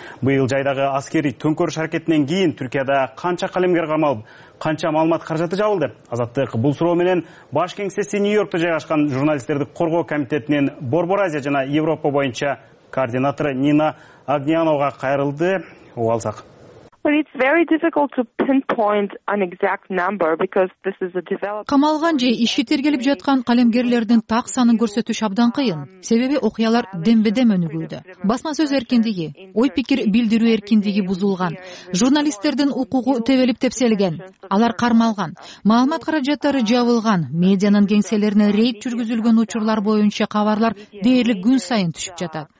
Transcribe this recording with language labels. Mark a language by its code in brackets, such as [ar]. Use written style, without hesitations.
[ky] Быйыл жайдагы аскерий төңкөрүш аракетинен кийин Түркияда канча калемгер камалып, канча маалымат каражаты жабылды? Азаттык бул суроо менен баш кеңсеси Нью-Йоркто жайгашкан журналисттерди коргоо комитетинин Борбор Азия жана Европа боюнча координатору Нина Агнянова кайрылды. Угуп алсак. [en] But it's very difficult to pinpoint an exact number because this is a developed. [ky] Камалган же иши тергелип жаткан калемгерлердин так санын көрсөтүш абдан кыйын. Себеби окуялар дембедем өнүгүүдө. Басма сөз эркиндиги, ой пикир билдирүү эркиндиги бузулган. Журналисттердин укугу тебелип тепселген. Алар кармалган. Маалымат каражаттары жабылган. Медианын кеңселерине рейд жүргүзүлгөн учурлар боюнча кабарлар дээрлик күн сайын түшүп жатат.